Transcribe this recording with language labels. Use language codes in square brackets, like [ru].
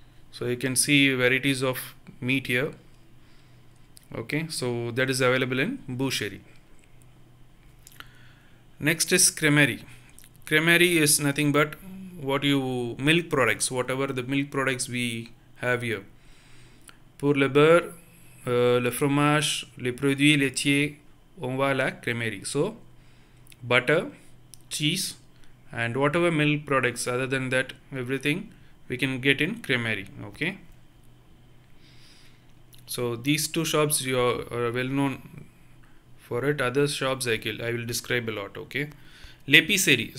[en] So you can see varieties of meat here. Okay, so that is available in boucherie. Next is crèmerie. Crèmerie is nothing but what you, milk products, whatever the milk products we have here. [fr] Pour le beurre, le fromage, les produits laitiers, on va à la crèmerie. [en] So, butter, cheese, and whatever milk products other than that, everything we can get in crèmerie. Okay. So, these two shops are well known for it. Other shops I will describe a lot. Okay. L'épicerie.